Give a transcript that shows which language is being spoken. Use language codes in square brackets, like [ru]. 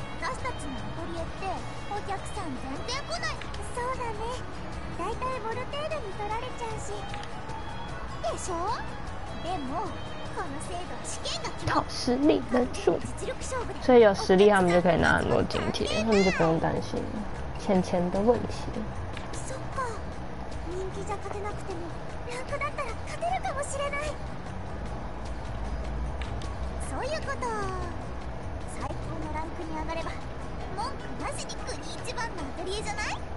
[ja] 私たちのアトリエってお客さん全然来ない。そうだね。だいたいボルテードに取られちゃうし。でしょ？でもこの制度試験が [zh] 靠实力分数，所以有实力他们就可以拿很多津贴，他们就不用担心钱钱的问题。 [ja] そっか、人気じゃ勝てなくてもランクだったら勝てるかもしれない。そういうこと。最高のランクに上がれば文句なしに国一番のアトリエじゃない？